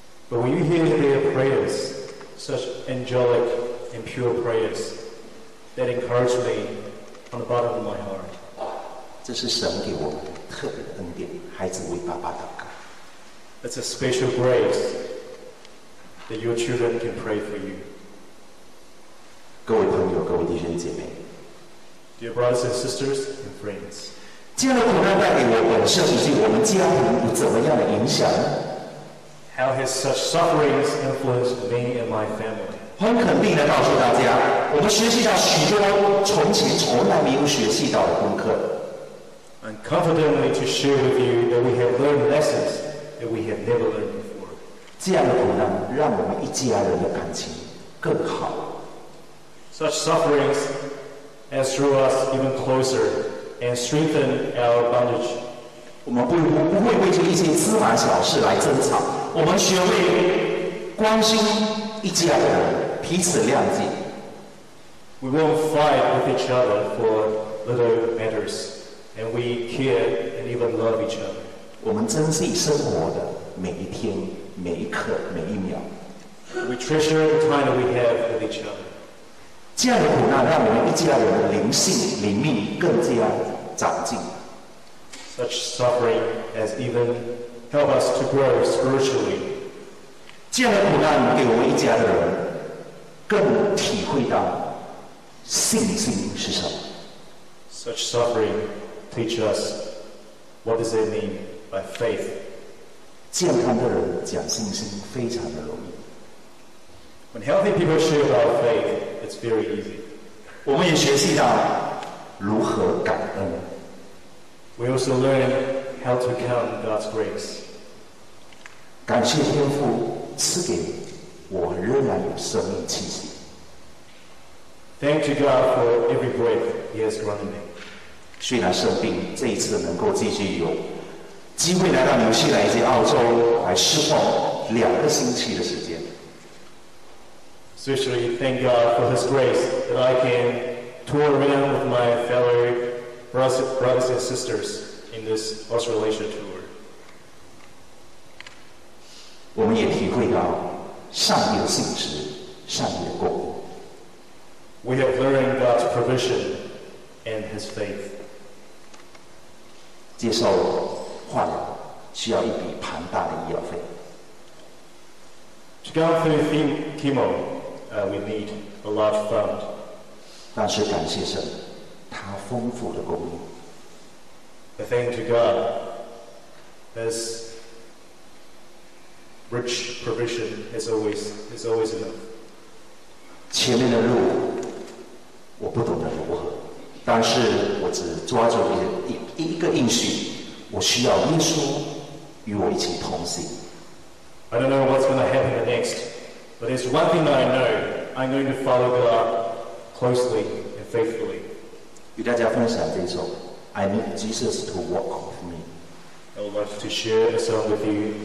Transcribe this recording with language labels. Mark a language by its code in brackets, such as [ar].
[en] But when you hear their prayers, such angelic and pure prayers, that encourage me on the bottom of my heart. [zh] 这是神给我们。特别的恩典，孩子为爸爸祷告。 [en] It's a special grace that your children can pray for you. [zh] 各位朋友，各位弟兄姐妹 [en] ，Dear brothers and sisters and friends， [zh] 这样的苦难带给我本身以及我们家庭有怎么样的影响 [en] ？How has such sufferings influenced me and my family？ [zh] 很肯定的告诉大家，我们学习到许多从前从来没有学习到的功课。 [en] I'm confidently to share with you that we have learned lessons that we have never learned before. [zh] 这样的苦难让我们一家人的感情更好。 [en] Such sufferings has drew us even closer and strengthened our bondage. [zh] 我们不会为这一些芝麻小事来争吵，我们学会关心一家人，彼此谅解。 [en] We won't fight with each other for little matters. And we care and even love each other. [zh] 我们珍惜生活的每一天、每一刻、每一秒。 [en] We treasure the time that we have with each other. [zh] 这样的苦难让我们一家人的灵性、灵命更加长进。 [en] Such suffering has even helped us to grow spiritually. [zh] 这样的苦难给我们一家人更体会到信心是什么。 [en] Such suffering. Teach us what does it mean by faith. [zh] 健康的人讲信心非常的容易。 [en] When healthy people share about faith, it's very easy. [zh] 我们也学习到如何感恩。 [en] We also learn how to count God's grace. [zh] 感谢天父赐给我仍然有生命气息。 [en] Thank you God for every breath He has granted me. [zh] 虽然生病，这一次能够继续有机会来到纽西兰以及澳洲来侍奉两个星期的时间。 [en] Especially thank God for His grace that I can tour around with my fellow brothers and sisters in this Australasia tour. [zh] 我们也体会到上帝的信实，上帝的供应。 [en] We have learned God's provision and His faith. [zh] 接受化疗需要一笔庞大的医药费。 [en] To go through chemo, we need a large fund. [zh] 但是感谢神，他丰富的供应。 [en] I thank to God, His rich provision is always enough. [zh] 前面的路我不懂得如何，但是我只抓住一个应许。我需要耶稣与我一起同行。 [en] I don't know what's going to happen next, but there's one thing that I know. I'm going to follow God closely and faithfully. [zh] 与大家分享这首 [en] I need Jesus to walk with me. I would like to share a song with you.